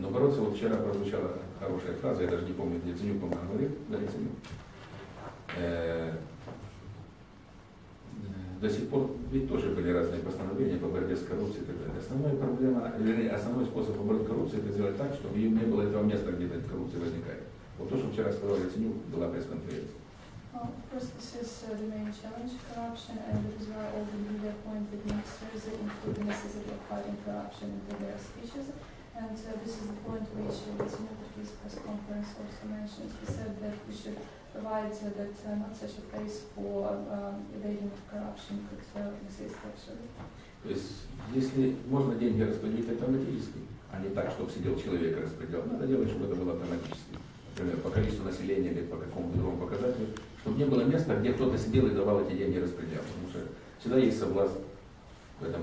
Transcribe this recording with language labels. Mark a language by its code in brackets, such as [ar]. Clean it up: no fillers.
[ru] Но бороться, вот вчера прозвучала хорошая фраза, я даже не помню, где Яценюк, по-моему, говорит, да, Яценюк. До сих пор ведь тоже были разные постановления по борьбе с коррупцией и так далее. Основной способ побороть коррупцию — это сделать так, чтобы не было этого места, где эта коррупция возникает. Вот то, что вчера сказал Яценюк, была пресс-конференция. [en] Of course, this is the main challenge, corruption, and this is why all the media appointed ministers include the necessity of fighting corruption into their speeches. And this is the point which Yatsenyuk's press conference also mentioned. He said that we should provide that not such a place for evading of corruption could exist, actually. [ru] То есть, если можно деньги распределить автоматически, а не так, чтобы сидел человек и распределял, надо делать, чтобы это было автоматически. Например, по количеству населения или по какому-то другому показателю, чтобы не было места, где кто-то сидел и давал эти деньги распределял. Потому что всегда есть соблазн в этом